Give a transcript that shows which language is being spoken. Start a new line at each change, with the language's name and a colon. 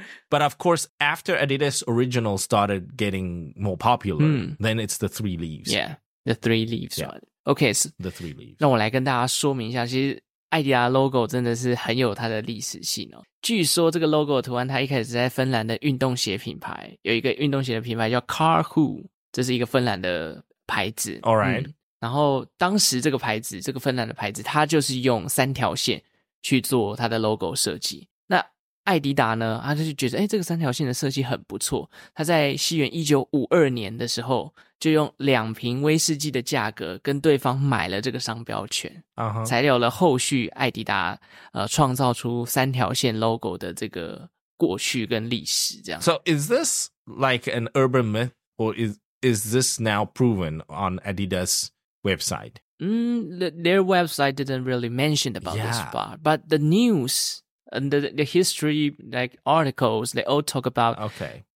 English: But of course, after Adidas Original started getting more popular, then it's the three leaves. Yeah, the three leaves. Yeah. Okay. So, the three leaves.
Chinese: 让我来跟大家说明一下，其实艾迪达 logo 真的是很有它的历史性哦。据说这个 logo 图案，它一开始是在芬兰的运动鞋品牌，有一个运动鞋的品牌叫 Carhu， 这是一个芬兰的牌子。
English: All right.
Chinese: 然后当时这个牌子，这个芬兰的牌子，它就是用三条线去做它的 logo 设计。那艾迪达呢，他就觉得，哎，这个三条线的设计很不错。他在西元1952年的时候，就用两瓶威士忌的价格跟对方买了这个商标权，才有了后续艾迪达创造出三条线 logo 的这个过去跟历史这样。
English: So is this like an urban myth or is this now proven on Adidas website? Their website didn't really mention about this part, but the news and the history like articles, they all talk about. Okay.